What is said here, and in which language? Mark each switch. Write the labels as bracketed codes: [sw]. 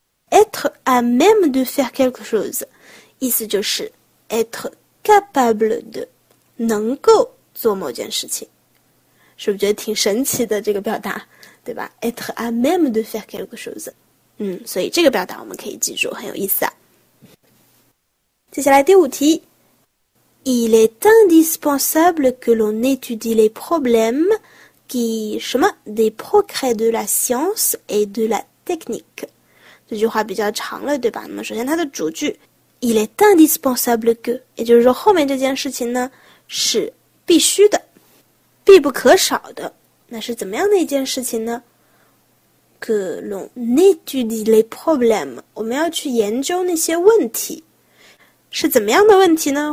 [fr] être à même de faire quelque chose， [zh] 意思就是 [fr] être capable de， [zh] 能够做某件事情，是不是觉得挺神奇的这个表达，对吧？être à même de faire quelque chose，所以这个表达我们可以记住，很有意思啊。 [fr] 接下来第五题，il est indispensable que l'on étudie les problèmes qui [zh] 什么 [fr] des progrès de la science et de la technique。 [zh] 这句话比较长了，对吧？那么首先它的主句， [fr] il est indispensable que， [zh] 也就是说后面这件事情呢是必须的、必不可少的。那是怎么样的一件事情呢？ [fr] Que l'on étudie les problèmes， [zh] 我们要去研究那些问题，是怎么样的问题呢？